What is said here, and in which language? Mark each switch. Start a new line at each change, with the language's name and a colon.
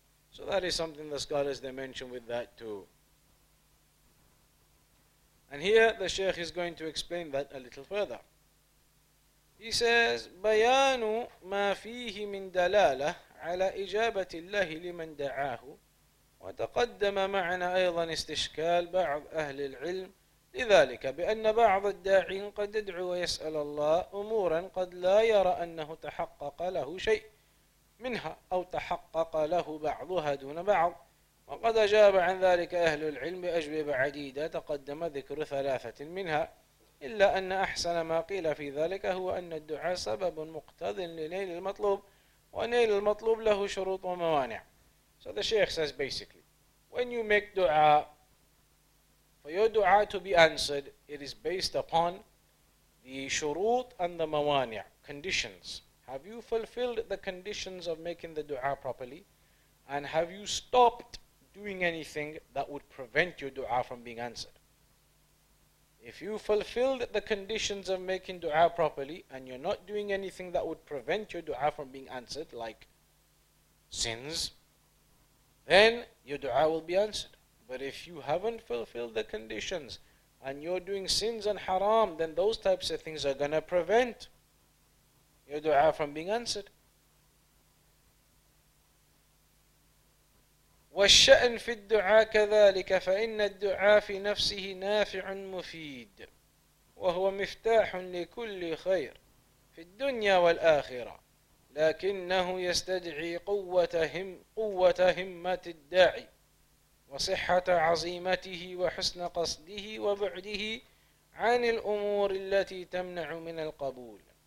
English: So that is something the scholars, they mention with that too. And here the Sheikh is going to explain that a little further. He says,
Arabic: بَيَانُ مَا فِيهِ مِنْ دَلَالَةِ عَلَى إِجَابَةِ اللَّهِ لِمَنْ دَعَاهُ وَتَقَدَّمَ مَعْنَا أَيْضًا إِسْتِشْكَالْ بَعْضِ أَهْلِ الْعِلْمِ لِذَلِكَ بِأَنَّ بَعْضَ الدَّاعِينَ قَدْ يَدْعُو وَيَسْأَلَ اللَّهِ أُمُورًا قَدْ لَا يَرَى أَنَّهُ تَحَقَّقَ لَهُ شَيْءٍ مِنْهَا أَوْ تَحَقَّقَ لَهُ بَعْضُهَا دُونَ بَعْضٍ وَقَدْ أَجَابَ عَنْ ذَلِكَ أَهْلُ الْعِلْمِ بِأَجْوِبَ عَدِيدَةً تَقَدَّمَ ذِكْرُ ثَلَاثَةٍ مِنْهَا إلا أن أحسن ما قيل في ذلك هو أن الدعاء سبب مقتض لنيل المطلوب ونيل المطلوب له شروط وموانع.
English: So the Sheikh says basically, when you make dua, for your dua to be answered, it is based upon the شروط and the موانع, conditions. Have you fulfilled the conditions of making the dua properly? And have you stopped doing anything that would prevent your dua from being answered? If you fulfilled the conditions of making dua properly and you're not doing anything that would prevent your dua from being answered, like sins, then your dua will be answered. But if you haven't fulfilled the conditions and you're doing sins and haram, then those types of things are going to prevent your dua from being answered.
Arabic: والشأن في الدعاء كذلك فإن الدعاء في نفسه نافع مفيد وهو مفتاح لكل خير في الدنيا والآخرة لكنه يستدعي قوة همة الداعي وصحة عزيمته وحسن قصده وبعده عن الأمور التي تمنع من القبول.